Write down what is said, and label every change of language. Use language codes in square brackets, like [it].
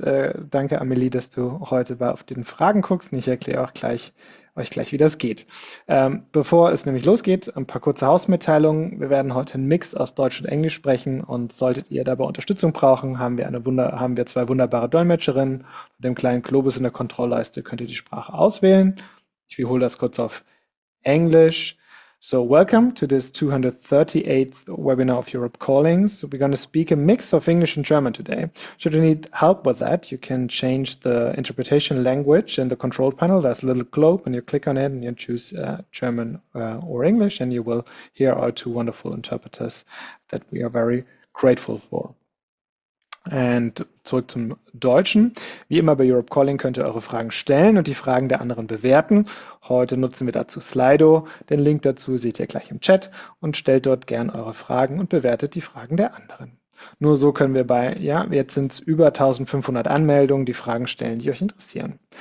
[de] Danke, Amelie, dass du heute bei auf den Fragen guckst und ich erkläre auch gleich euch gleich, wie das geht. Bevor es nämlich losgeht, ein paar kurze Hausmitteilungen. Wir werden heute einen Mix aus Deutsch und Englisch sprechen und solltet ihr dabei Unterstützung brauchen, haben wir zwei wunderbare Dolmetscherinnen. Mit dem kleinen Globus in der Kontrollleiste könnt ihr die Sprache auswählen. Ich wiederhole das kurz auf Englisch. [en] So, welcome to this 238th webinar of Europe Calling. So, we're going to speak a mix of English and German today. Should you need help with that, you can change the interpretation language in the control panel. There's a little globe, and you click on it and you choose German or English, and you will hear our two wonderful interpreters that we are very grateful for. And [de] zurück zum Deutschen. Wie immer bei Europe Calling könnt ihr eure Fragen stellen und die Fragen der anderen bewerten. Heute nutzen wir dazu Slido. Den Link dazu seht ihr gleich im Chat und stellt dort gern eure Fragen und bewertet die Fragen der anderen. Nur so können wir bei, ja, jetzt sind es über 1500 Anmeldungen, die Fragen stellen, die euch interessieren.